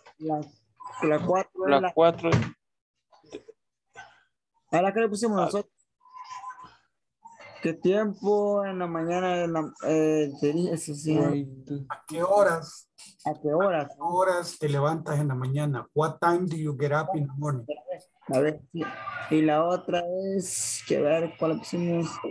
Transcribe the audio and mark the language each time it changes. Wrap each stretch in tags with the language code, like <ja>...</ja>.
<es>La cuatro. La cuatro. ¿Ahora qué le pusimos nosotros? ¿Qué tiempo en la mañana? En la, eso sí. ¿A qué horas? ¿A qué horas? ¿A qué horas te levantas en la mañana?</es> <en>What time do you get up in the morning?</en> <es>A ver, sí. Y la otra es, que ver, ¿cuál opción es?</es>